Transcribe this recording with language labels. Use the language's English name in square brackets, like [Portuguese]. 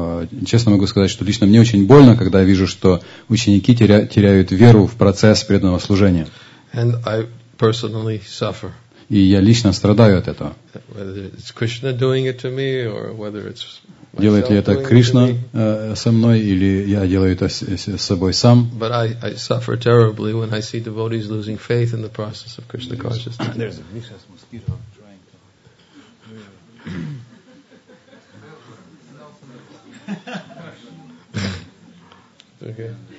[Russian] Лично могу сказать, что лично мне очень больно, когда я вижу, что ученики теряют веру в процесс преданного служения. [English] And I personally suffer. [Russian] И я лично страдаю от этого. [English] Whether it's Krishna doing it to me or whether it's [Russian] делает ли это Кришна со мной, или я делаю это с собой сам. [English] But I suffer terribly when I see devotees losing faith in the process of Krishna consciousness. There's a vicious mosquito trying to